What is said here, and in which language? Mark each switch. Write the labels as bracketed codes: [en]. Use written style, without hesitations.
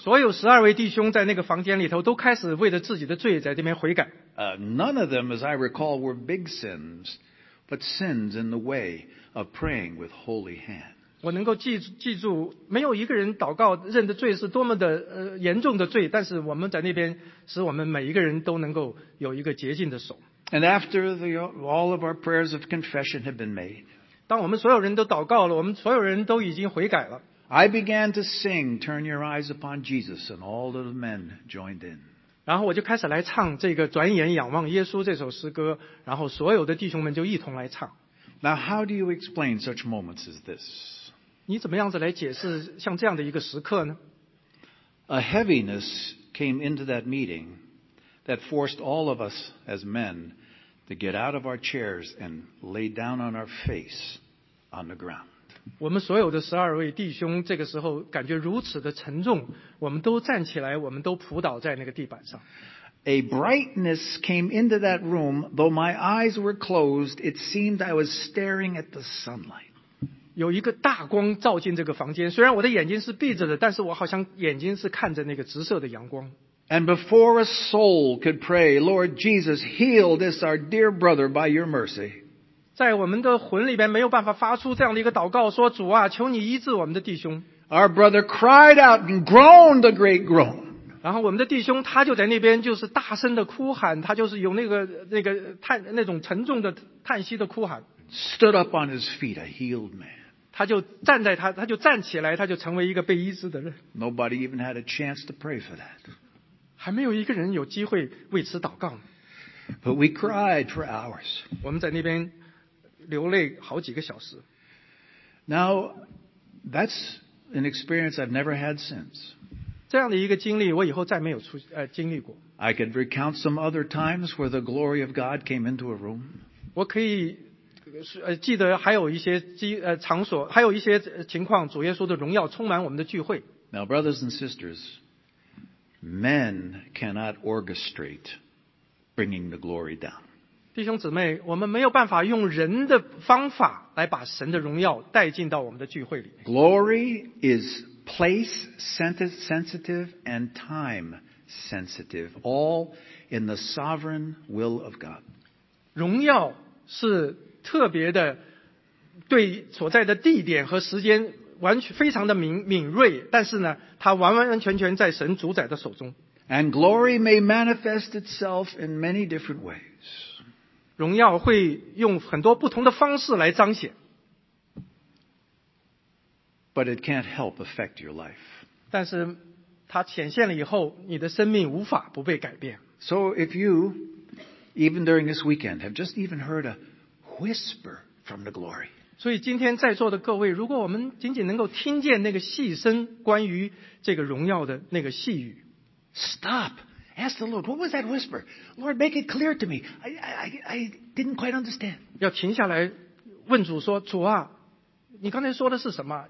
[zh] 所有十二位弟兄在那个房间里头都开始为着自己的罪在这边悔改。 [en] None of them, as I recall, were big sins, but sins in the way of praying with holy hands. [zh] 我能够记住没有一个人祷告认的罪是多么的严重的罪，但是我们在那边使我们每一个人都能够有一个洁净的手。 [en] And after all of our prayers of confession had been made, [zh] 当我们所有人都祷告了，我们所有人都已经悔改了。 [en] I began to sing, Turn Your Eyes Upon Jesus, and all of the men joined in. [zh] 然后我就开始来唱这个转眼仰望耶稣这首诗歌，然后所有的弟兄们就一同来唱。 [en] Now how do you explain such moments as this? [zh] 你怎么样子来解释像这样的一个时刻呢？ [en] A heaviness came into that meeting that forced all of us as men to get out of our chairs and lay down on our face on the ground. [zh] 我们所有的十二位弟兄这个时候感觉如此的沉重，我们都站起来，我们都扑倒在那个地板上。 [en] A brightness came into that room, though my eyes were closed, it seemed I was staring at the sunlight. [zh] 有一个大光照进这个房间，虽然我的眼睛是闭着的，但是我好像眼睛是看着那个直射的阳光。 [en] And before a soul could pray, Lord Jesus, heal this our dear brother by your mercy. [zh] 在我们的魂里边没有办法发出这样的一个祷告，说主啊，求你医治我们的弟兄。 [en] Our brother cried out and groaned a great groan. [zh] 然后我们的弟兄他就在那边就是大声的哭喊，他就是有那种沉重的叹息的哭喊。 [en] Stood up on his feet, a healed man. [zh] 他就站起来，他就成为一个被医治的人。 [en] Nobody even had a chance to pray for that. [zh] 还没有一个人有机会为此祷告。 [en] But we cried for hours. [zh] 我们在那边流泪好几个小时。 [en] Now, that's an experience I've never had since. [zh] 这样的一个经历我以后再没有经历过。 [en] I could recount some other times where the glory of God came into a room. [zh] 我可以记得还有一些场所，还有一些情况，主耶稣的荣耀充满我们的聚会。 [en] Now, brothers and sisters, men cannot orchestrate bringing the glory down. [zh] 弟兄姊妹，我们没有办法用人的方法来把神的荣耀带进到我们的聚会里。 [en] Glory is place sensitive and time sensitive, all in the sovereign will of God. [zh] 荣耀是特别的对所在的地点和时间完全非常的敏锐，但是呢它完完全全在神主宰的手中。 [en] And glory may manifest itself in many different ways. [zh] 荣耀会用很多不同的方式来彰显。 [en] But it can't help affect your life. [zh] 但是它显现了以后你的生命无法不被改变。 [en] So if you even during this weekend have just even heard a whisper from the glory. [zh] 所以今天在座的各位，如果我们仅仅能够听见那个细声关于这个荣耀的那个细语。 [en] Stop. Ask the Lord, what was that whisper? Lord, make it clear to me. I didn't quite understand. [zh] 要停下来问主说，主啊，你刚才说的是什么？